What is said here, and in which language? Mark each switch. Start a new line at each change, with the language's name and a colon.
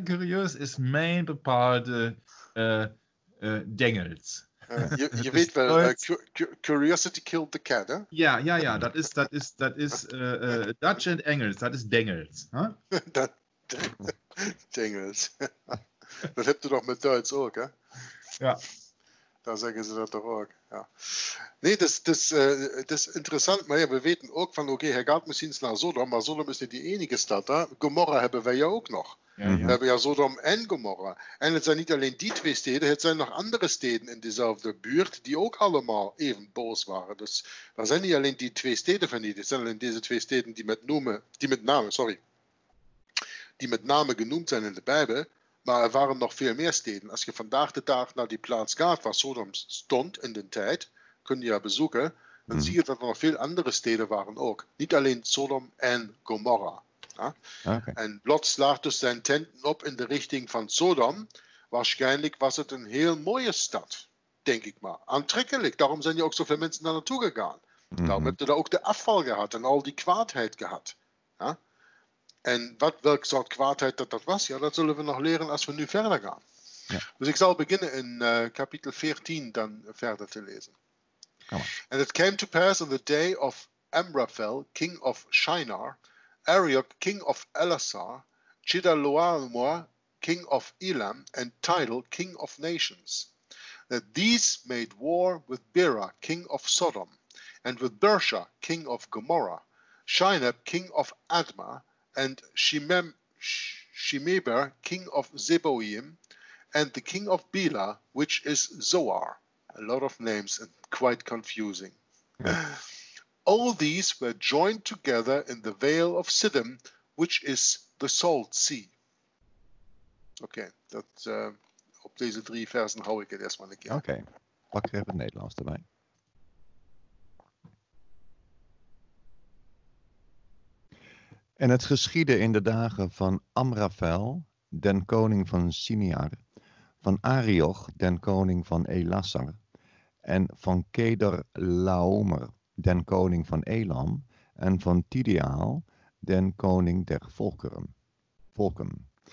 Dutch: Curieus is mijn bepaalde Dengels. Je weet wel,
English: curiosity killed the cat, hè?
Dutch: Ja, ja, ja, dat is Dutch and Engels, dat is Dengels. Huh? Dengels. Dat heb je toch met Duits ook, hè? Ja.
German: Da sagen sie das doch auch, ja. Nee, das ist interessant, weil wir wissen auch von, okay, Herr Gart, müssen Sie nach Sodom, aber Sodom ist nicht die einzige Stadt da. Gomorra haben wir ja auch noch. Ja, ja. Wir haben ja Sodom und Gomorra. Und es sind nicht allein die zwei Städte, es sind noch andere Städte in dieselbe Buurt, die auch alle mal eben boos waren. Das sind nicht allein die zwei Städte von ihnen, es sind allein diese zwei Städte, die mit Namen genoemd sind in der Bibel.
Dutch: Maar er waren nog veel meer steden. Als je vandaag de dag naar die plaats gaat waar Sodom stond in de tijd, kun je haar bezoeken, dan zie je dat er nog veel andere steden waren ook. Niet alleen Sodom en Gomorra. Ja? Okay. En Lot slaagt dus zijn tenten op in de richting van Sodom. Waarschijnlijk was het een heel mooie stad, denk ik maar. Aantrekkelijk, daarom zijn er ook zoveel mensen daar naartoe gegaan. Mm-hmm. Daarom heb je daar ook de afval gehad en al die kwaadheid gehad. Ja? En welke soort kwaadheid dat was, ja, dat zullen we nog leren als we nu verder gaan. Ja. Dus ik zal beginnen in kapitel 14 dan verder te lezen.
English: And it came to pass on the day of Amraphel, king of Shinar, Arioch, king of Elasar, Chidaloamur, king of Elam, and Tidal, king of nations, that these made war with Bera, king of Sodom, and with Bersha, king of Gomorrah, Shinab, king of Admah, and Shimeber, king of Zeboim, and the king of Bela, which is Zoar. A lot of names and quite confusing. Yeah. All these were joined together in the vale of Siddim, which is the Salt Sea.
Dutch: Okay, that op deze drie versen hou ik het eerst maar een keer. Okay, pak even het Nederlands erbij. En het geschiedde in de dagen van Amraphel, den koning van Siniar, van Arioch, den koning van Elassar, en van Kedar Laomer, den koning van Elam, en van Tidiaal, den koning der volken.